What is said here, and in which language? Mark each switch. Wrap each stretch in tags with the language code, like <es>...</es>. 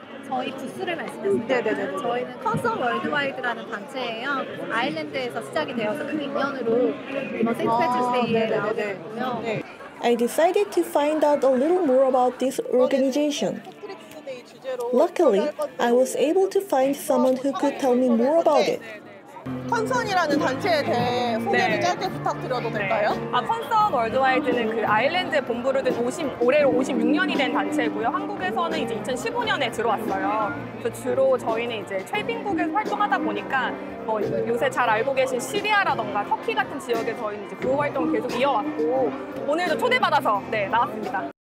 <ko>저희 부스를 말씀하세요. 네네네. 저희는 컨선월드와이드라는 단체예요. 아일랜드에서 시작이 되어서 그 인연으로 이번 생태주세이에 나왔고요.</ko> <en>I decided to find out a little more about this organization. Luckily, I was able to find someone who could tell me more about it.</en> <ko>컨선이라는 단체에 대해 소개를 네. 짧게 부탁드려도 될까요? 네. 아, 컨선 월드와이드는 그 아일랜드 본부를 둔 올해 56년이 된 단체고요. 한국에서는 이제 2015년에 들어왔어요. 그래서 주로 저희는 이제 최빈국에서 활동하다 보니까 뭐 요새 잘 알고 계신 시리아라던가 터키 같은 지역에 저희는 이제 구호 활동을 계속 이어왔고 오늘도 초대받아서 네, 나왔습니다.</ko>